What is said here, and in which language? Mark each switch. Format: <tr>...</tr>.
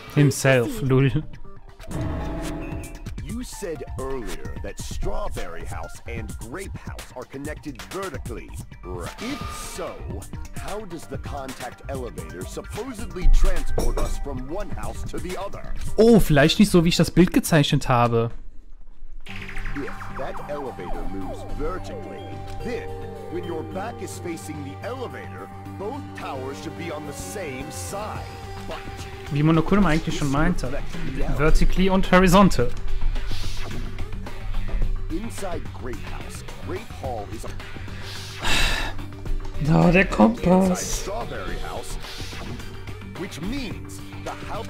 <en>Himself, lul. You said earlier that Strawberry House and Grape House are connected vertically. Right. If so, how does the contact elevator supposedly transport us from one house to the other?</en> <de>Oh, vielleicht nicht so, wie ich das Bild gezeichnet habe.</de> <en>If that elevator moves vertically, then, when your back is facing the elevator, both towers should be on the same side. But</en> <de>wie Monokuma eigentlich schon meinte, vertically und horizontal.</de> <en>Inside Grape House, Grape Hall is a</en> <de>da, der Kompass.</de> <en>Inside Strawberry House, which means the house.</en>